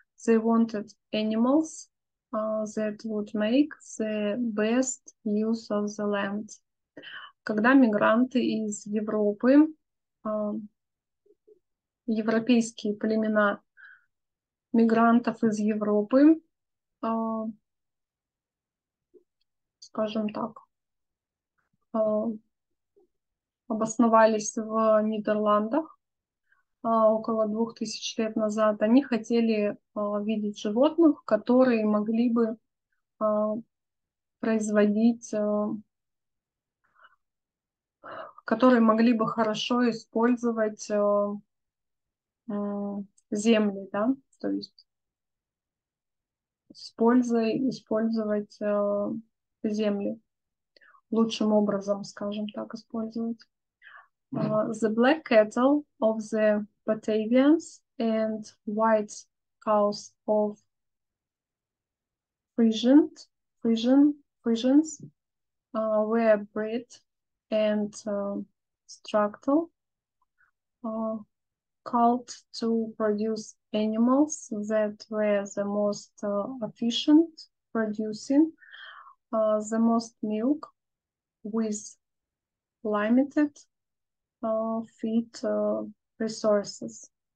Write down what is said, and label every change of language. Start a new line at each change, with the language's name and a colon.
English: They wanted animals that would make the best use of the land.
Russian: Когда мигранты из Европы, европейские племена мигрантов из Европы, скажем так, обосновались в Нидерландах около 2000 лет назад, они хотели видеть животных, которые могли бы производить, которые могли бы хорошо использовать земли, да, то есть использовать земли лучшим образом, скажем так, использовать.
English: The black cattle of the Batavians and white cows of Frisians were bred and structural called to produce animals that were the most efficient producing the most milk with limited feed resources.